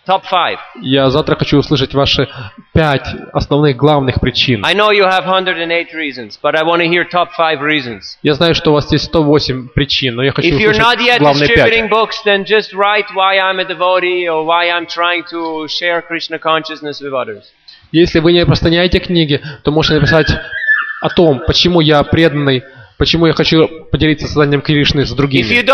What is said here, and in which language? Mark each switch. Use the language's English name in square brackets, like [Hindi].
[English] Top five. [Russian] Я завтра хочу услышать ваши 5 основных главных причин. [English] I know you have 108 reasons, but I want to hear top 5 reasons. [Russian] Я знаю, что у вас есть 108 причин, но я хочу услышать главные 5. [English] If you're not yet distributing books, then just write why I'm a devotee or why I'm trying to share Krishna consciousness with others. [Russian] Если вы не распространяете книги, то можете написать о том, почему я преданный. Почему я хочу поделиться сознанием Кришны с другими?